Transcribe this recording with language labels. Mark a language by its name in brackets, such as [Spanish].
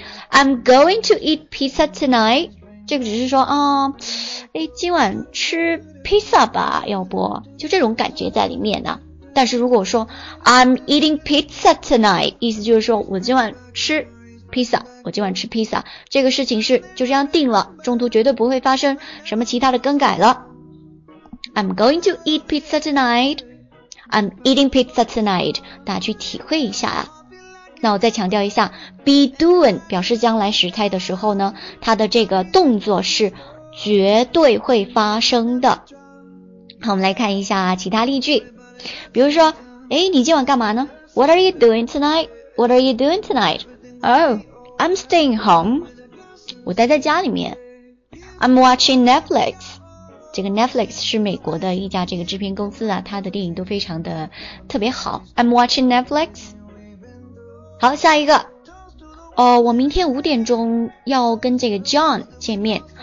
[English] I'm going to eat pizza tonight， [Chinese] 这个只是说今晚吃 pizza 吧，要不就这种感觉在里面呢。但是如果说 [English] I'm eating pizza tonight， [Chinese] 意思就是说我今晚吃 pizza， 这个事情是就这样定了，中途绝对不会发生什么其他的更改了。 [English] I'm going to eat pizza tonight， I'm eating pizza tonight， [Chinese] 大家去体会一下啊。那我再强调一下， be doing 表示将来时态的时候呢，它的这个动作是绝对会发生的。好，我们来看一下其他例句，比如说你今晚干嘛呢？ [English] What are you doing tonight? What are you doing tonight? I'm staying home， [Chinese] 我待在家里面。 [English] I'm watching Netflix， [Chinese] 这个 Netflix 是美国的一家这个制片公司啊，它的电影都非常的特别好。 [English] I'm watching Netflix。 [Chinese] 好，下一个，我明天五点钟要跟这个 John 见面。